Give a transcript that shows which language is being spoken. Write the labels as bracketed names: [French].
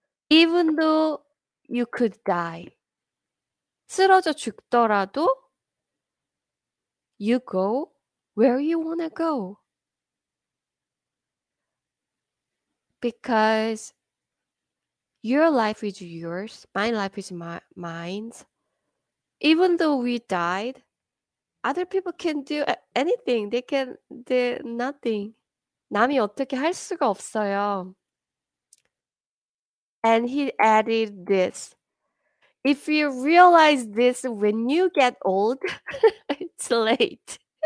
[English] Even though you could die, [Korean] 쓰러져 죽더라도, [English] you go where you want to go. Because your life is yours. My life is mine. Even though we died, other people can do anything. They can do nothing. [Korean] 남이 어떻게 할 수가 없어요. [English] And he added this. If you realize this when you get old, it's late.